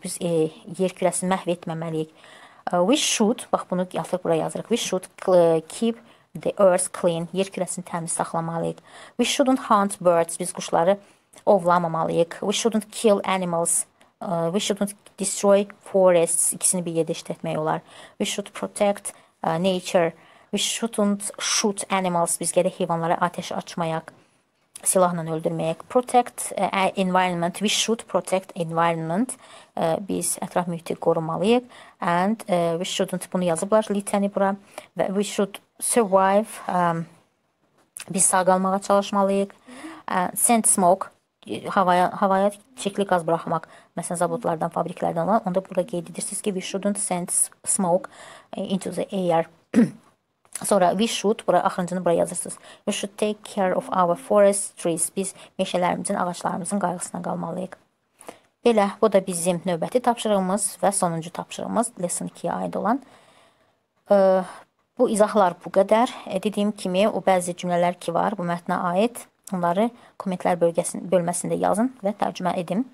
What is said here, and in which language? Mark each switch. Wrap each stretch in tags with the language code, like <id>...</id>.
<az>Biz yer kürəsini məhv etməməliyik.</az> <en>We should,</en> <az>bax bunu yazırıq, bura yazırıq.</az> <en>We should keep the earth clean.</en> <az>Yer kürəsini təmiz saxlamalıyıq.</az> <en>We shouldn't hunt birds.</en> <az>Biz quşları ovlamamalıyıq.</az> <en>We shouldn't kill animals. We shouldn't destroy forests.</en> <az>İkisini bir yerdə işlətmək olar.</az> <en>We should protect nature. We shouldn't shoot animals.</en> <az>Biz gərək heyvanlara atəş açmayaq. Silahla öldürməyək.</az> <en>Protect environment. We should protect environment.</en> <az>Biz ətraf mühiti qorumalıyıq.</az> <en>And we shouldn't,</en> <az>bunu yazıblar litəni bura.</az> <en>We should survive.</en> <az>Biz sağ qalmağa çalışmalıyıq.</az> <en>Send smoke.</en> <az>Havaya çirkli qaz buraxmaq, məsələn, zavodlardan, fabriklərdən olan, onda burada qeyd edirsiniz ki,</az> <en>we shouldn't send smoke into the air.</en> <az>Sonra</az> <en>we should,</en> <az>bura, axırıncını bura yazırsınız.</az> <en>We should take care of our forest trees.</en> <az>Biz meşələrimizin, ağaclarımızın qayğısına qalmalıyıq. Belə, bu da bizim növbəti tapşırığımız və sonuncu tapşırığımız, lesson 2-yə aid olan. Bu izahlar bu qədər. Dediyim kimi, o bəzi cümlələr ki var bu mətnə aid. Onları komentlər bölməsində yazın və tərcümə edin.</az>